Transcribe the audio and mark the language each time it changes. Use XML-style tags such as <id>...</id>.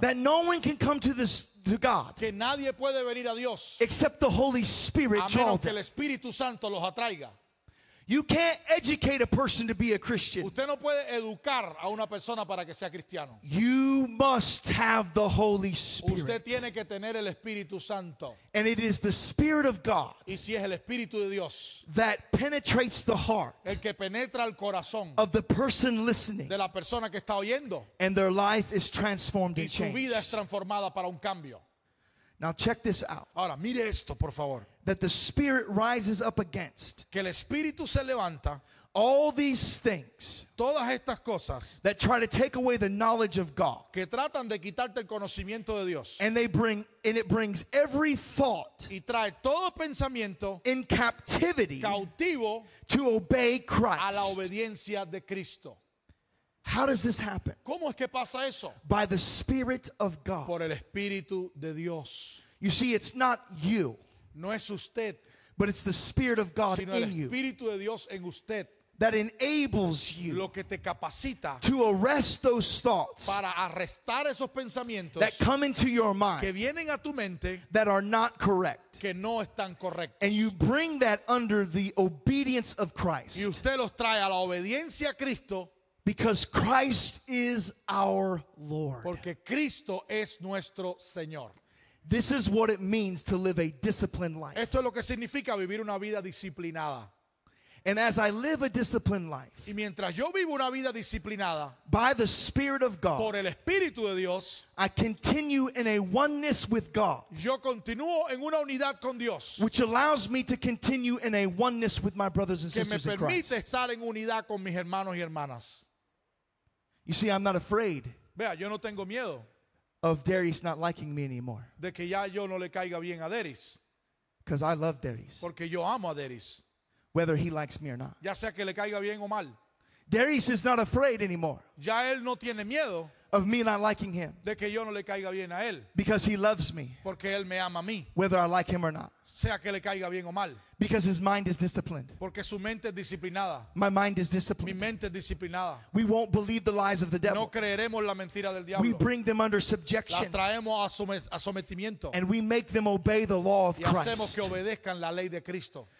<en>That no one can come to this to God.</en> <es>Que nadie puede venir a Dios.</es> <en>Except the Holy Spirit draw them.</en> <es>A menos que el Espíritu Santo los atraiga.</es> <en>You can't educate a person to be a Christian.</en> <es>Usted no puede educar a una persona para que sea cristiano.</es> <en>You must have the Holy Spirit.</en> <es>Usted tiene que tener el Espíritu Santo.</es> <en>And it is the Spirit of God.</en> <es>Y si es el Espíritu de Dios.</es> <en>That penetrates the heart.</en> <es>El que penetra el corazón.</es> <en>Of the person listening.</en> <es>De la persona que está oyendo.</es> <en>And their life is transformed and changed.</en> <es>Y su vida es transformada para un cambio.</es> <en>Now check this out.</en> <es>Ahora mire esto, por favor.</es> <en>That the Spirit rises up against.</en> <es>Que el Espíritu se levanta.</es> <en>All these things.</en> <es>Todas estas cosas.</es> <en>That try to take away the knowledge of God.</en> <es>Que tratan de quitarte el conocimiento de Dios.</es> <en>And they bring, and it brings every thought.</en> <es>Y trae todo pensamiento.</es> <en>In captivity.</en> <es>Cautivo.</es> <en>To obey Christ.</en> <es>A la obediencia de Cristo.</es> <en>How does this happen?</en> <es>¿Cómo es que pasa eso?</es> <en>By the Spirit of God.</en> <es>Por el Espíritu de Dios.</es> <en>You see, it's not you.</en> <es>No es usted,</es> <en>but it's the Spirit of God</en> <es>sino el</es> <en>in you</en> <es>Espíritu de Dios en usted</es> <en>that enables you</en> <es>lo que te capacita</es> <en>to arrest those thoughts</en> <es>para arrestar esos pensamientos</es> <en>that come into your mind</en> <es>que vienen a tu mente</es> <en>that are not correct</en> <es>que no están correctos.</es> <en>And you bring that under the obedience of Christ</en> <es>y usted los trae a la obediencia a Cristo</es> <en>because Christ is our Lord</en> <es>porque Cristo es nuestro Señor.</es> <en>This is what it means to live a disciplined life.</en> <es>Esto es lo que significa vivir una vida disciplinada.</es> <en>And as I live a disciplined life,</en> <es>y mientras yo vivo una vida disciplinada,</es> <en>by the Spirit of God,</en> <es>por el Espíritu de Dios,</es> <en>I continue in a oneness with God,</en> <es>yo continúo en una unidad con Dios,</es> <en>which allows me to continue in a oneness with my brothers and</en> <es>que</es> <en>sisters</en> <es>me permite</es> <en>in Christ.</en> <es>Estar en unidad con mis hermanos y hermanas.</es> <en>You see, I'm not afraid.</en> <es>Vea, yo no tengo miedo.</es> <en>Of Darius not liking me anymore.</en> <es>De que ya yo no le caiga bien a Darius.</es> <en>Because I love Darius.</en> <es>Porque yo amo a Darius.</es> <en>Whether he likes me or not.</en> <es>Ya sea que le caiga bien o mal.</es> <en>Darius is not afraid anymore.</en> <es>Ya él no tiene miedo</es> <en>of me not liking him.</en> <es>De que yo no le caiga bien a él.</es> <en>Because he loves me.</en> <es>Porque él me ama a mí.</es> <en>Whether I like him or not.</en> <es>Sea que le caiga bien o mal.</es> <en>Because his mind is disciplined.</en> <es>Porque su mente es disciplinada.</es> <en>My mind is disciplined.</en> <es>Mi mente es disciplinada.</es> <en>We won't believe the lies of the devil.</en> <es>No creeremos la mentira del diablo.</es> <en>We bring them under subjection.</en> <es>La traemos a sometimiento.</es> <en>And we make them obey the law of Christ.</en> <es>Y hacemos que obedezcan la ley de Cristo.</es>